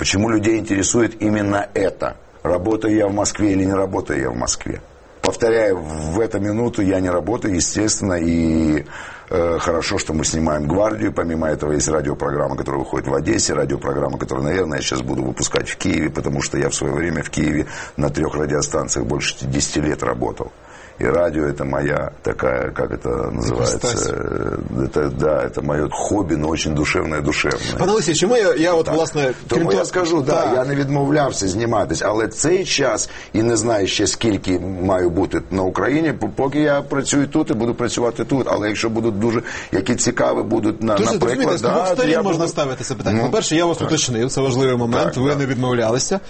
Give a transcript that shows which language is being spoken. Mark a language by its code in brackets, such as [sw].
[uk] Чому людей інтересують іменно це? [ru] Работаю я в Москві или не работаю я в Москві? Повторяю, в эту минуту я не работаю, естественно, и хорошо, что мы снимаем «Гвардию». Помимо этого, есть радиопрограмма, которая выходит в Одессе, радиопрограмма, которую, наверное, я сейчас буду выпускать в Киеве, потому что я в свое время в Киеве на трех радиостанциях больше 10 лет работал. И радио это моя такая, как это называется? Это мое хобби, но очень душевное. [uk] Пане Олексію, чому я от, так, власне... Тому я скажу, так, я не відмовлявся зніматися, але цей час, і не знаю ще скільки маю бути на Україні, поки я працюю тут і буду працювати тут. Але якщо будуть дуже, які цікаві будуть, на, дуже, наприклад... Дуже, розумієте, з двох сторін можна ставити це питання. Ну, по-перше, я вас уточнив, це важливий момент, ви не відмовлялися.